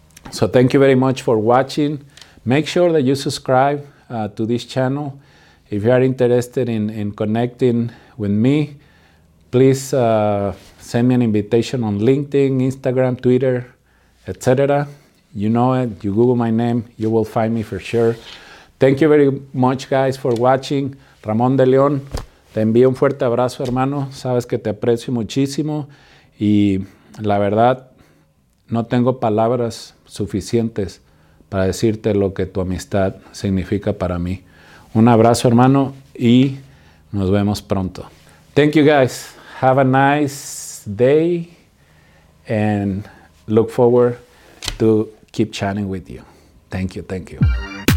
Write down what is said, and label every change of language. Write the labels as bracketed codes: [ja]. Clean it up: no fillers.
[en] So thank you very much for watching. Make sure that you subscribe to this channel. If you are interested in connecting with me, please send me an invitation on LinkedIn, Instagram, Twitter, etc. You know it, you Google my name, you will find me for sure. Thank you very much, guys, for watching. [es] Ramon De Leon, te envío un fuerte abrazo, hermano. Sabes que te aprecio muchísimo. Y la verdad, no tengo palabras suficientes para decirte lo que tu amistad significa para mí. Un abrazo, hermano, y nos vemos pronto. [en] Thank you, guys. Have a nice day and look forward to keep chatting with you. Thank you.